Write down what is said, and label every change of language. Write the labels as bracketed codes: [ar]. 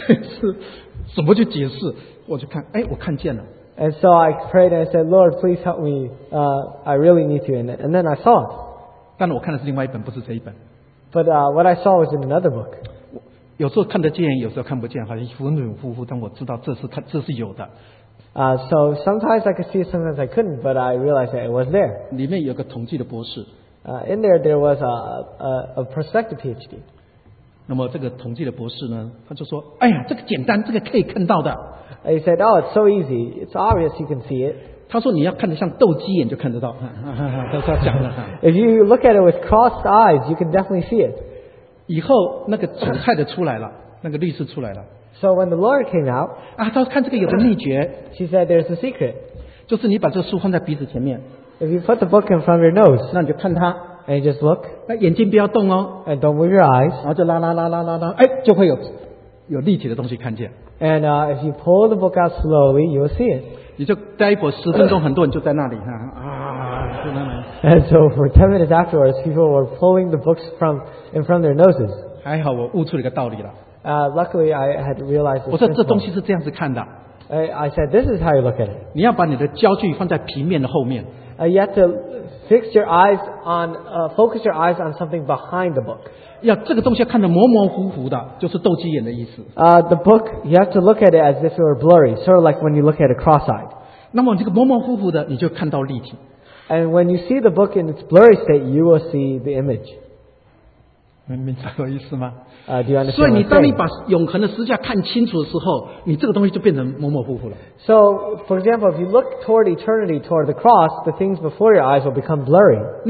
[zh] 不是因为面子的问题，是怎么去解释？我就看，哎，我看见了。 [en] And so I prayed and I said, Lord, please help me. I really need to. And then I saw it. [zh] 但我看的是另外一本，不是这一本。 [en] But what I saw was in another book. [zh] 有时候看得见，有时候看不见，好像浑浑乎乎。但我知道这是有的。 [en] So sometimes I could see it, sometimes I couldn't, but I realized that it was there. [zh] 里面有个统计的博士。 [en] In there, there was a prospective PhD. [zh] 那么这个统计的博士呢，他就说，哎呀，这个简单，这个可以看到的。 [en] He said, oh, it's so easy. It's obvious you can see it. [zh] 他说你要看得像斗鸡眼就看得到。他讲了。 [en] If you look at it with crossed eyes, you can definitely see it. [zh] 以后那个主太太出来了，那个律师出来了。 [en] So when the lawyer came out, [zh] 啊，他说看这个有个秘诀。 [en] She said there's a secret. [zh] 就是你把这个书放在鼻子前面。 [en] If you put the book in front of your nose, [zh] 那你就看它。 [en] And you just look. [zh] 那眼睛不要动哦。 [en] And don't move your eyes. [zh] 然后就拉拉拉拉拉拉，哎，就会有立体的东西看见。 [en] And if you pull the book out slowly, you will see it. [zh] 你就待一会儿，十分钟，很多人就在那里哈啊，就那里。And [en] so for 10 minutes afterwards, people were pulling the books from in front of their noses. [zh] 还好我悟出了一个道理了。 [en] Luckily, I had realized. [zh] 我说这东西是这样子看的。I [en] said this is how you look at it. [zh] 你要把你的焦距放在平面的后面。 [en] You have to fix your eyes on, focus your eyes on something behind the book. [zh] 要这个东西看得模模糊糊的，就是斗鸡眼的意思。 [en] The book, you have to look at it as if it were blurry, sort of like when you look at a cross-eyed. [zh] 那么这个模模糊糊的，你就看到立体。 [en] And when you see the book in its blurry state, you will see the image. [zh] 明白我意思吗？ [en] Do you understand? [zh] 所以你当你把永恒的十字架看清楚的时候，你这个东西就变成模模糊糊了。 [en] So, for example, if you look toward eternity, toward the cross, the things before your eyes will become blurry.